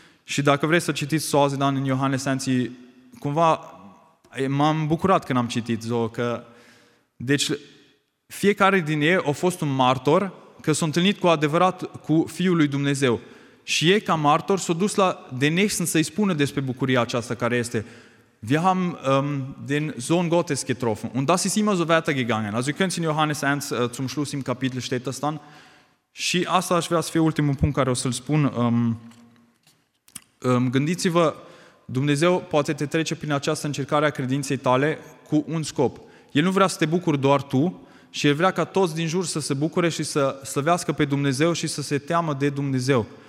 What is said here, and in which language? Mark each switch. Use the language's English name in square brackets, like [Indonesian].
[Romanian] Și dacă vreți să citiți soazi, dan în Johannes 1, cumva m-am bucurat când am citit. Că, deci fiecare din ei a fost un martor că s-a întâlnit cu adevărat cu Fiul lui Dumnezeu. Și ei ca martor s-au dus la The Next să-i spună despre bucuria aceasta care este. [German] Wir haben den Sohn Gottes getroffen und das ist immer so weitergegangen. Also ihr könnt es in Johannes 1 zum Schluss im Kapitel steht das dann. [Romanian] Și asta aș vrea să fie ultimul punct care o să-l spun. Gândiți-vă, Dumnezeu poate te trece prin această încercare a credinței tale cu un scop. El nu vrea să te bucuri doar tu și El vrea ca toți din jur să se bucure și să slăvească pe Dumnezeu și să se teamă de Dumnezeu.